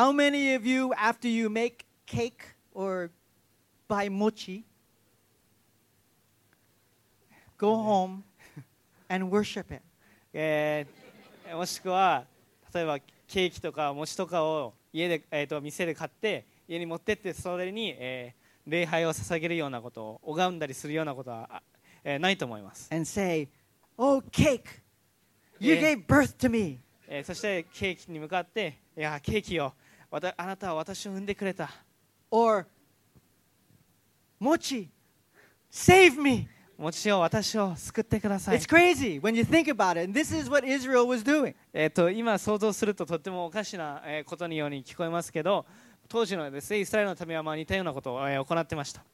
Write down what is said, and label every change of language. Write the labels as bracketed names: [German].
[English] How many of you after you make cake or buy mochi go home and worship it? [Japanese] もしくは例えばケーキとか餅とかを家で、店で買って家に持ってってそれに、礼拝を捧げるようなことを拝んだりするようなことは、ないと思います。 [English] And say, Oh cake, you gave birth to me. [Japanese] そしてケーキに向かっていやケーキよあなたは私を産んでくれた [English] Or 餅 Save me. [Japanese] もちろん私を救ってください。 [English] It's crazy when you think about it. And this is what Israel was doing. [Japanese] 今想像するととってもおかしなことのように聞こえますけど、当時のですね、イスラエルの民はまあ似たようなことを行っていました。